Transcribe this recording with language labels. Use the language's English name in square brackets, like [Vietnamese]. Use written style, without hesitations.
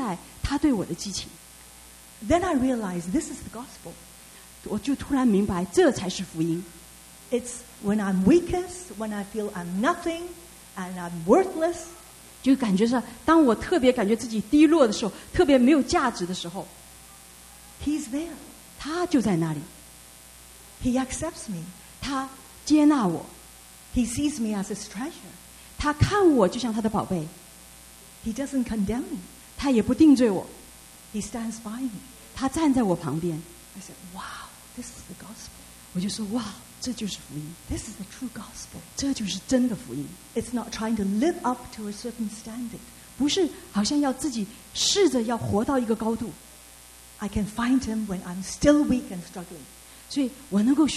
[Chinese] 然后我就感受到他的同在，他对我的激情。 [English] Then I realized this is the gospel. [Chinese] 我就突然明白这才是福音。 [English] It's when I'm weakest, when I feel I'm nothing, and I'm worthless. [Chinese] 就感觉上，当我特别感觉自己低落的时候，特别没有价值的时候， [English] He's there. [Chinese] 他就在那里。 [English] He accepts me. [Chinese] 他 [English] He sees me as his treasure. [Chinese] 他看我就像他的宝贝。 [English] He doesn't condemn me. [Chinese] 他也不定罪我。 [English] He stands by me. [Chinese] 他站在我旁边。 [English] I said, "Wow, this is the gospel." [Chinese] 我就说，哇，这就是福音。 [English] This is the true gospel. [Chinese] 这就是真的福音。 [English] It's not trying to live up to a certain standard. [Chinese] 不是好像要自己试着要活到一个高度。 [English] I can find him when I'm still weak and struggling.